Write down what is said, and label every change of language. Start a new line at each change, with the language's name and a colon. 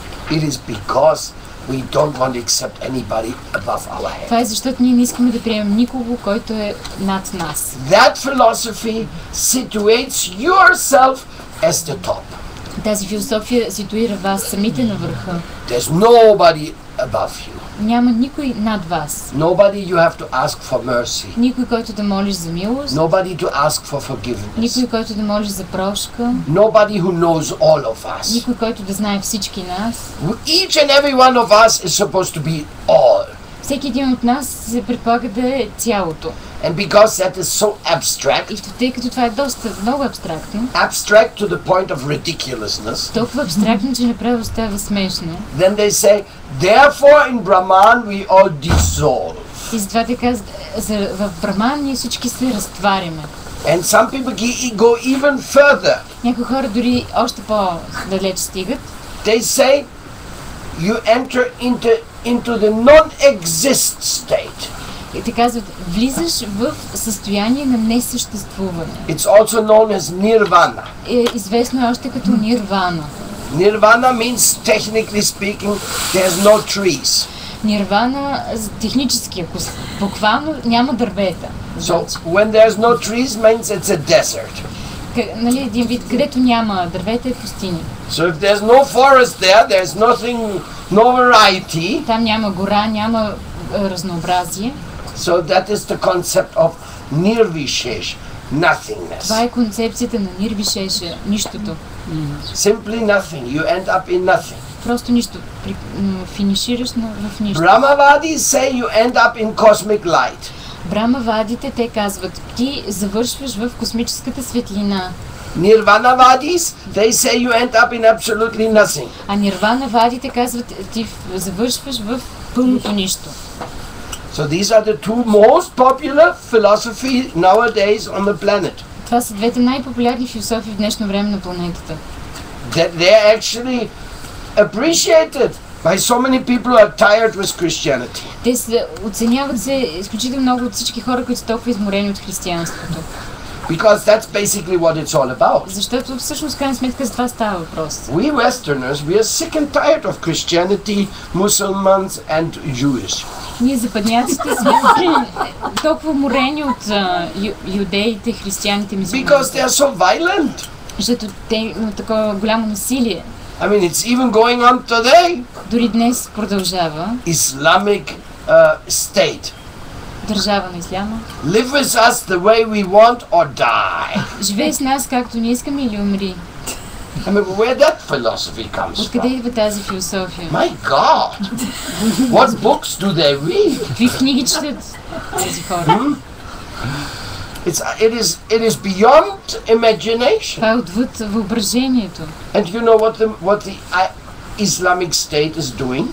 English: It is because we don't want to accept anybody above our head.
Bulgarian: Това е защото ние не искаме да приемем никого, който е над нас.
English: That philosophy situates yourself as the top.
Bulgarian: Тази философия ситуира вас самите на върха.
English: There's nobody above you.
Bulgarian: Няма никой над вас.
English: Nobody you have to ask for mercy.
Bulgarian: Никой, който да молиш за милост.
English: Nobody to ask for forgiveness.
Bulgarian: Никой, който да молиш за прошка.
English: Nobody who knows all of us.
Bulgarian: Никой, който да знае всички нас.
English: Each and every one of us is supposed to be all.
Bulgarian: Всеки един от нас се предполага да е цялото.
English: And because that is so abstract,
Bulgarian: и тъй като това е доста много абстрактно,
English: abstract to the point of ridiculousness,
Bulgarian: толкова абстрактно, че направо става смешно,
English: then they say, therefore in Brahman we all dissolve.
Bulgarian: И затова те казват, в Брахман ние всички се разтваряме.
English: And some people go even further.
Bulgarian: Някои хора дори още по-далеч стигат.
English: They say, you enter into the non-exist state.
Bulgarian: И ти казват, влизаш в състояние на несъществуване.
English: It's also known as nirvana.
Bulgarian: Е известно още като нирвана.
English: Nirvana means, technically speaking, there's no trees.
Bulgarian: Нирвана, технически, ако буквално няма дървета.
English: So, when there's no trees, means it's a desert.
Bulgarian: Нали, един вид, където няма дървета, е пустиня.
English: So, if there's no forest there, there's nothing, no variety.
Bulgarian: Там няма гора, няма разнообразие.
English: So that is the concept of nirvishesh, nothingness.
Bulgarian: Това е концепцията на нирвишеша, нищото.
English: Simply nothing, you end up in nothing.
Bulgarian: Просто нищо, финишираш в нищо.
English: Brahmavadi say you end up in cosmic light.
Bulgarian: Брахмавадите те казват, ти завършваш в космическата светлина.
English: Nirvanavadis, they say you end up in absolutely nothing.
Bulgarian: А нирванавадите казват, ти завършваш в пълното нищо.
English: So these are the two most popular philosophy nowadays on the planet.
Bulgarian: Това са двете най-популярни философии в днешно време на планетата.
English: They are actually appreciated by so many people who are tired with Christianity.
Bulgarian: Те се оценяват се изключително много от всички хора, които са толкова изморени от християнството.
English: Because that's basically what it's all about.
Bulgarian: Защото всъщност крайна сметка за това става въпрос.
English: We Westerners, we are sick and tired of Christianity, Muslims and Jewish.
Bulgarian: Ние западняците сме толкова уморени от юдеите, християните, мюсюлманите.
English: Because they are so violent.
Bulgarian: Защото те имат такова голямо насилие.
English: I mean, it's even going on today.
Bulgarian: Дори днес продължава.
English: Islamic state.
Bulgarian: Държава на исляма.
English: Live with us the way we want or die.
Bulgarian: Живей с нас както ни искаме или умри.
English: I mean, where that philosophy comes from?
Bulgarian: Откъде идва тази философия?
English: My God! What books do they read?
Bulgarian: Какви книги четат тези хора?
English: It is beyond imagination.
Bulgarian: Това е отвъд въображението.
English: And you know what the Islamic state is doing?